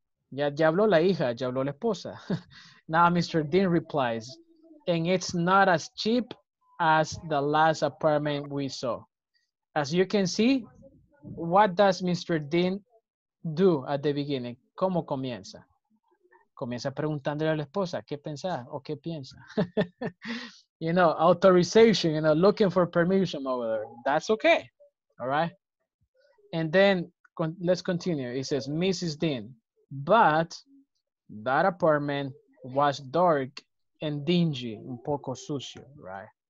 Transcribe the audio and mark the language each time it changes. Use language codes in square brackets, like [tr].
[es] Ya habló la hija, ya habló la esposa. [en] Now Mr. Dean replies, and it's not as cheap as the last apartment we saw. As you can see, what does Mr. Dean do at the beginning? [es] ¿Cómo comienza? Comienza preguntándole a la esposa, ¿qué pensa o qué piensa? [en] You know, authorization, you know, looking for permission over there. That's okay, all right? And then, let's continue. It says, Mrs. Dean, but that apartment was dark and dingy, [es] un poco sucio, [en] right?